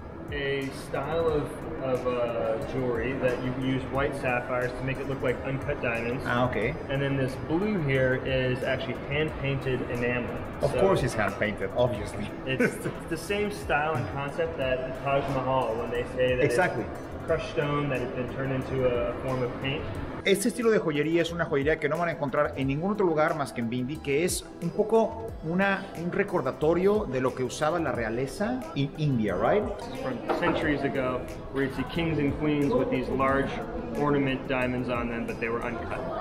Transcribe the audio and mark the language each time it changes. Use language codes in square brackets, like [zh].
[en] A style of jewelry that you use white sapphires to make it look like uncut diamonds. Ah, okay. And then this blue here is actually hand-painted enamel. Of course it's hand-painted, obviously. It's the same style and concept that the Taj Mahal, when they say that exactly. It's crushed stone that has been turned into a form of paint. [es] Este estilo de joyería es una joyería que no van a encontrar en ningún otro lugar más que en Bindi, que es un poco un recordatorio de lo que usaba la realeza en India, right? [en] From centuries ago, where you see kings and queens with these large ornament diamonds on them, but they were uncut.